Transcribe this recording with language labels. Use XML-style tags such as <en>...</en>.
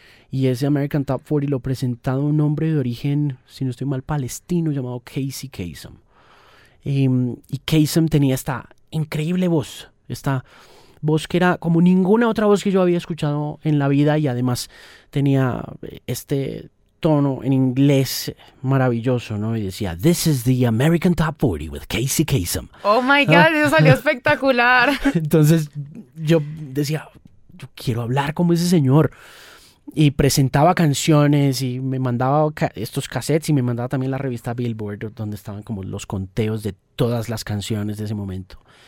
<es>Y ese American Top 40 lo presentaba un hombre de origen, si no estoy mal, palestino, llamado Casey Kasem. y Kasem tenía esta increíble voz, esta voz que era como ninguna otra voz que yo había escuchado en la vida, y además tenía este tono en inglés maravilloso, ¿no? Y decía,</es> <en>"This is the American Top 40 with Casey Kasem." Oh my God,</en> <es>¿no? Eso salió espectacular. Entonces yo decía, yo quiero hablar como ese señor. Y presentaba canciones y me mandaba estos cassettes y me mandaba también la revista Billboard, donde estaban como los conteos de todas las canciones de ese momento.</es>